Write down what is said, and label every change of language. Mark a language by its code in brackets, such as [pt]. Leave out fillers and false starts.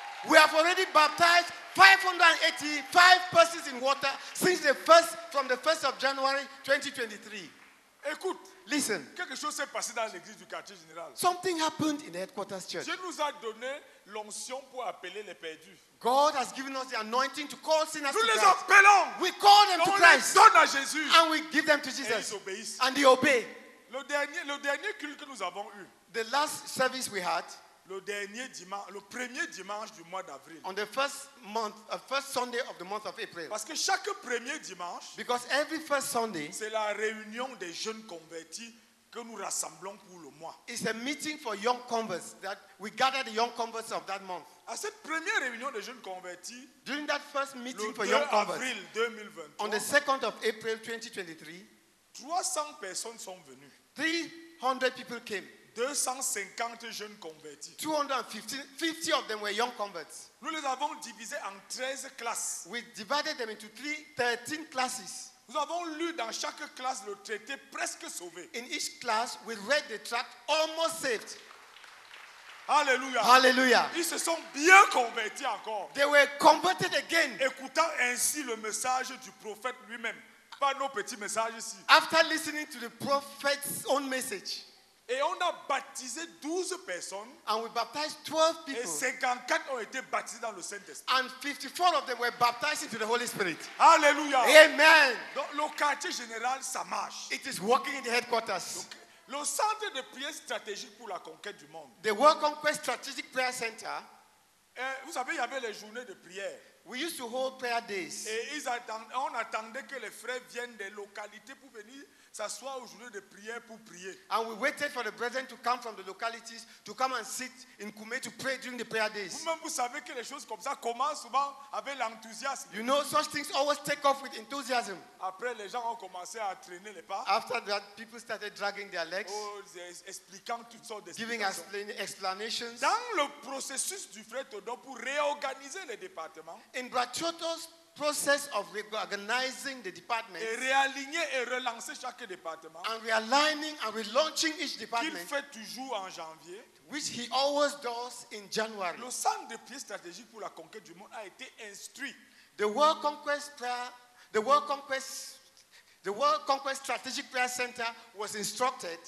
[en] We have already baptized 585 persons in water since from the 1st of January 2023. [fr] Écoute. [en] Listen. [fr] Quelque chose s'est passé dans l'église du quartier général. [en] Something happened in the headquarters church. [fr] Dieu nous a donné l'onction pour appeler les perdus. [en] God has given us the anointing to call sinners [fr] nous [en] to Christ. [fr] Nous les appelons. [en] We call them to Christ. [fr] On les donne à Jésus. [en] And we give them to Jesus. [fr] Et ils obéissent. [en] And they obey. [fr] Le dernier culte que nous avons eu. [en] The last service we had. [fr] Le dernier dimanche, le premier dimanche du mois d'avril. [en] On the first Sunday of the month of April. [fr] Parce que chaque premier dimanche, [en] because every first Sunday, [fr] c'est la réunion des jeunes convertis que nous rassemblons pour le mois. [en] It's a meeting for young converts that we gather the young converts of that month. [fr] À cette première réunion des jeunes convertis, [en] during that first meeting [fr] le [en] for young converts, [fr] avril 2023, [en] on the 2nd of April 2023, [fr] 300 personnes sont venues. [en] 300 people came. [fr] 250 jeunes convertis. [en] 250 of them were young converts. [fr] Nous les avons divisés en 13 classes. [en] We divided them into 13 classes. [fr] Nous avons lu dans chaque classe le traité presque sauvé. [en] In each class, we read the tract almost saved. Hallelujah. Hallelujah. [fr] Ils se sont bien convertis encore. [en] They were converted again. [fr] Écoutant ainsi le message du prophète lui-même. Pas nos petits messages ici. [en] After listening to the prophet's own message. [fr] Et on a baptisé 12 personnes. [en] And we baptized 12 people. [fr] Et 54 ont été baptisés dans le Saint-Esprit. [en] And 54 of them were baptized into the Holy Spirit. Hallelujah. Amen. [fr] Donc, le quartier général, ça marche. [en] It is working in the headquarters. [fr] Le centre de prière stratégique pour la conquête du monde. [en] The World Conquest Strategic Prayer Center. [fr] Vous savez, il y avait les journées de prière. [en] We used to hold prayer days. [fr] On attendait que les frères viennent des localités pour venir s'asseoir aux journées de prière pour prier. [en] And we waited for the brethren to come from the localities to come and sit in Koumé to pray during the prayer days. [fr] Vous-même, vous savez que les choses comme ça commencent souvent avec l'enthousiasme. [en] You know, such things always take off with enthusiasm. [fr] Après, les gens ont commencé à traîner les pas. [en] After that, people started dragging their legs. [fr] Oh, expliquant toutes sortes d'explications. [en] Giving explanations. [fr] Dans le processus du frère Todo pour réorganiser les départements. [en] In Brachoto's process of reorganizing the department, [fr] et réaligner et relancer chaque département, [en] and realigning and relaunching each department, [fr] qu'il fait toujours en janvier, [en] which he always does in January. [fr] Le centre de prière stratégique pour la conquête du monde a été instruit. [en] The World Conquest The World Conquest Strategic Prayer Center was instructed